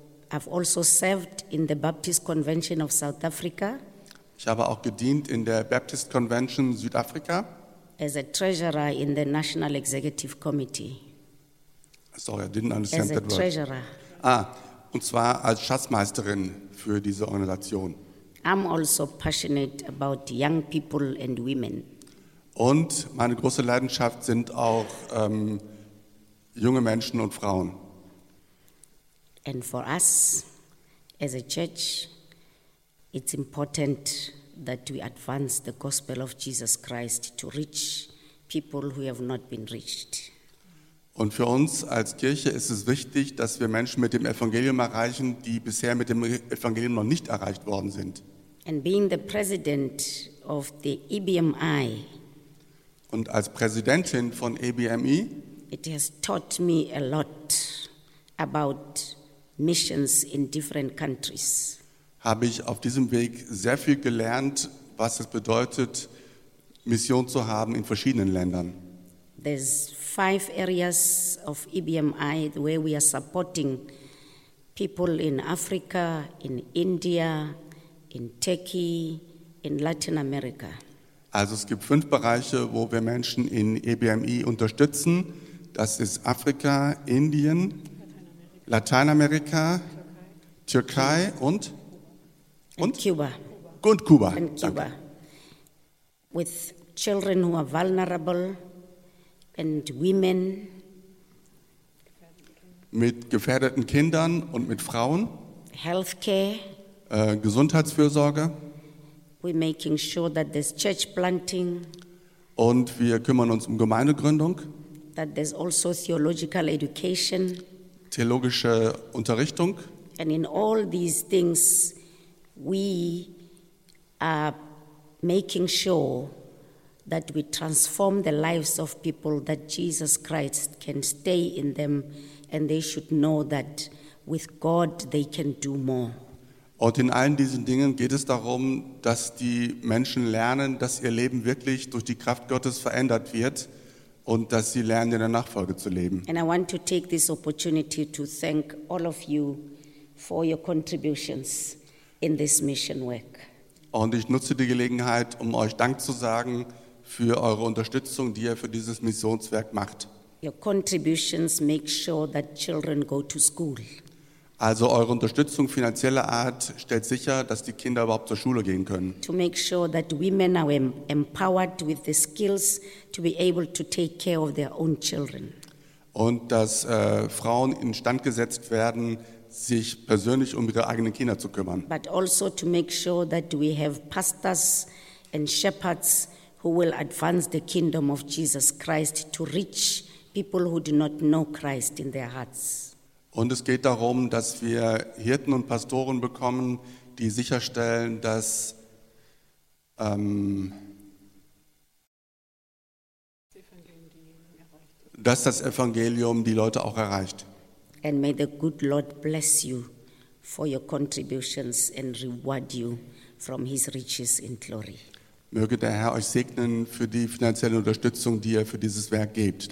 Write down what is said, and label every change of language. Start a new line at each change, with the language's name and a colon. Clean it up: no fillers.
English: I've also served in the Baptist Convention of South Africa.
German: Ich habe auch gedient in der Baptist Convention Südafrika.
English: As a treasurer in the National Executive Committee. Sorry, I didn't understand that word. As a treasurer.
German: Ah, und zwar als Schatzmeisterin für diese Organisation.
English: I'm also passionate about young people and women.
German: Und meine große Leidenschaft sind auch junge Menschen und Frauen.
English: And for us as a church, it's important that we advance the gospel of Jesus Christ to reach people who have not been reached.
German: Und für uns als Kirche ist es wichtig, dass wir Menschen mit dem Evangelium erreichen, die bisher mit dem Evangelium noch nicht erreicht worden sind.
English: And being the president of the EBMI.
German: Und als Präsidentin von EBMI,
English: it has taught me a lot about missions in different countries.
German: Habe ich auf diesem Weg sehr viel gelernt, was es bedeutet, Mission zu haben in verschiedenen Ländern.
English: There's 5 areas of EBMI where we are supporting people in Africa, in India, in Turkey, in Latin America.
German: Also es gibt 5 Bereiche, wo wir Menschen in EBMI unterstützen. Das ist Afrika, Indien, Lateinamerika, Türkei und Und Kuba. Und Kuba.
English: And Cuba.
German: Danke.
English: With children who are vulnerable and women.
German: Mit gefährdeten Kindern und mit Frauen.
English: Healthcare.
German: Gesundheitsfürsorge.
English: We're making sure that there's church planting.
German: Und wir kümmern uns um Gemeindegründung.
English: That there's also theological education.
German: Theologische Unterrichtung.
English: And in all these things, we are making sure that we transform the lives of people, that Jesus Christ can stay in them, and they should know that with God they can do more.
German: Und in allen diesen Dingen geht es darum, dass die Menschen lernen, dass ihr Leben wirklich durch die Kraft Gottes verändert wird und dass sie lernen, in der Nachfolge zu leben.
English: And I want to take this opportunity to thank all of you for your contributions in this mission work.
German: Und ich nutze die Gelegenheit, um euch Dank zu sagen für eure Unterstützung, die ihr für dieses Missionswerk macht.
English: Your contributions make sure that children go to school.
German: Also eure Unterstützung finanzieller Art stellt sicher, dass die Kinder überhaupt zur Schule gehen können.
English: To make sure that women are empowered with the skills to be able to take care of their own children.
German: Und dass Frauen instand gesetzt werden, sich persönlich um ihre eigenen Kinder zu kümmern.
English: But also to make sure that we have pastors and shepherds who will advance the kingdom of Jesus Christ to reach people who do not know Christ in their hearts.
German: Und es geht darum, dass wir Hirten und Pastoren bekommen, die sicherstellen, dass dass das Evangelium die Leute auch erreicht.
English: And may the good Lord bless you for your contributions and reward you from his riches in glory.
German: Möge der Herr euch segnen für die finanzielle Unterstützung, die ihr für dieses Werk gebt.